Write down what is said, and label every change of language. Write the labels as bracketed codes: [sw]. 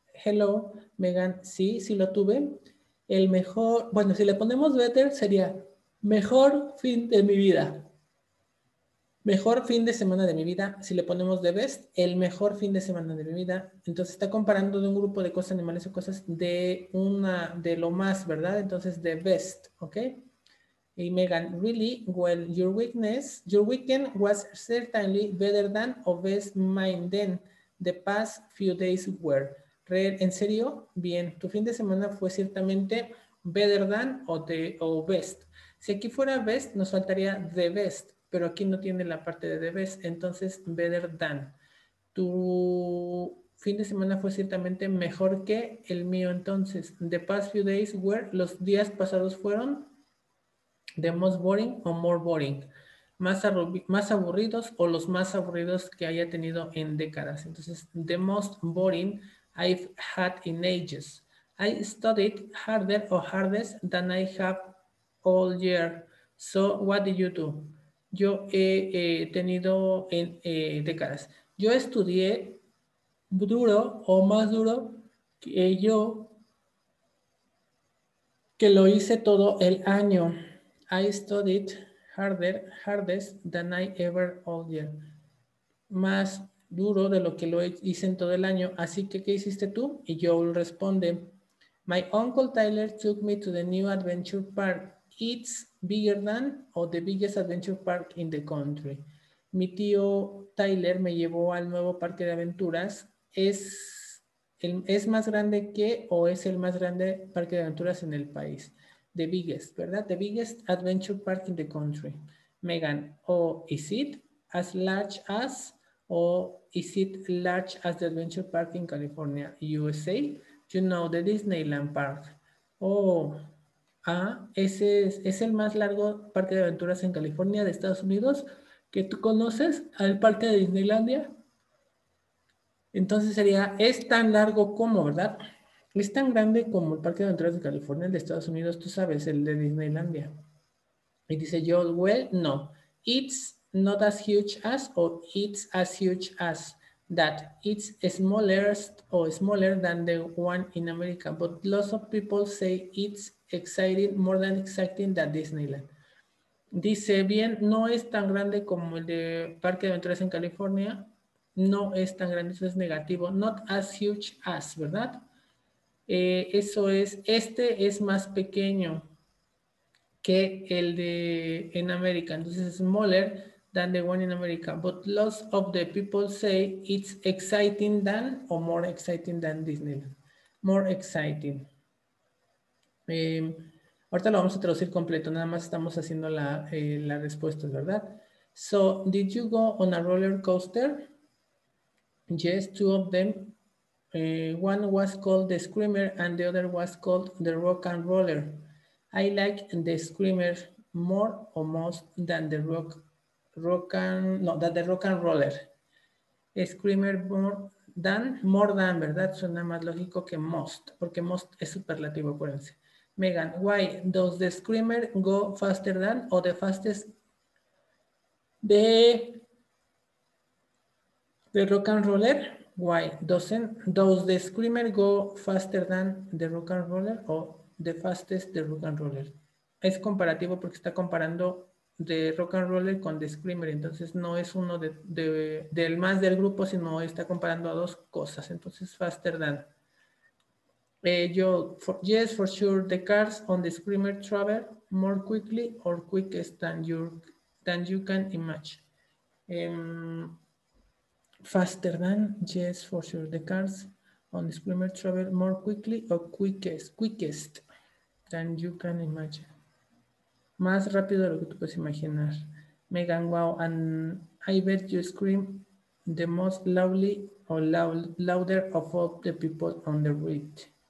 [es] Hello, Megan. Sí, sí lo tuve. El mejor, bueno, si le ponemos better, sería mejor fin de mi vida. Mejor fin de semana de mi vida, si le ponemos [en] the best, [es] el mejor fin de semana de mi vida. Entonces está comparando de un grupo de cosas, animales o cosas, de una, de lo más, ¿verdad? Entonces, [en] the best, [es] ¿ok? [en] Y Megan, really, well, your weekend was certainly better than or best mine than the past few days were. [es] ¿En serio? Bien, tu fin de semana fue ciertamente [en] better than [es] o best. Si aquí fuera best, nos faltaría the best. Pero aquí no tiene la parte de debes, entonces better than. Tu fin de semana fue ciertamente mejor que el mío, entonces. [en] The past few days were, [es] los días pasados fueron [en] the most boring o more boring. [es] Más aburridos o los más aburridos que haya tenido en décadas. [en] Entonces, the most boring I've had in ages. I studied harder or hardest than I have all year. So, what did you do? [es] Yo he tenido en décadas. Yo estudié duro o más duro que yo, que lo hice todo el año. [en] I studied hardest than I ever all year. [es] Más duro de lo que lo hice en todo el año. Así que, ¿qué hiciste tú? Y yo responde, [en] My uncle Tyler took me to the new adventure park. It's bigger than o the biggest adventure park in the country. [es] Mi tío Tyler me llevó al nuevo parque de aventuras. Es más grande que o es el más grande parque de aventuras en el país. [en] The biggest, ¿verdad? The biggest adventure park in the country. Megan, o is it as large as o is it large as the adventure park in California, USA? You know, the Disneyland Park. Oh. [es] Ah, ese es el más largo parque de aventuras en California de Estados Unidos que tú conoces, al parque de Disneylandia. Entonces sería, es tan largo como, ¿verdad? Es tan grande como el parque de aventuras de California, el de Estados Unidos, tú sabes, el de Disneylandia. Y dice yo, well, no. [en] It's not as huge as o it's as huge as that. It's smallest or smaller than the one in America. But lots of people say it's exciting, more than exciting than Disneyland. [es] Dice, bien, no es tan grande como el de Parque de Aventuras en California. No es tan grande, eso es negativo. [en] Not as huge as, [es] ¿verdad? Eso es, este es más pequeño que el de en América. [en] Entonces, smaller than the one in America. But lots of the people say it's exciting than o more exciting than Disneyland. More exciting. [es] Ahorita lo vamos a traducir completo, nada más estamos haciendo la respuesta, ¿verdad? [en] So, did you go on a roller coaster? Yes, two of them. One was called the Screamer and the other was called the Rock and Roller. I like the Screamer more or most than the no, than the Rock and Roller. Screamer more than, ¿verdad? [es] Suena más lógico que most, porque most es superlativo, acuérdense. [en] Megan, why does the screamer go faster than o the fastest the rock and roller? Why does the screamer go faster than the rock and roller o the fastest the rock and roller? [es] Es comparativo porque está comparando the rock and roller con the screamer, entonces no es uno del más del grupo, sino está comparando a dos cosas, entonces faster than. [en] Yes, for sure, the cars on the Screamer travel more quickly or quickest than you can imagine. Faster than, yes, for sure, the cars on the Screamer travel more quickly or quickest than you can imagine. [es] Más rápido de lo que tú puedes imaginar. [en] Megan, wow, and I bet you scream the most loudly or louder of all the people on the ride.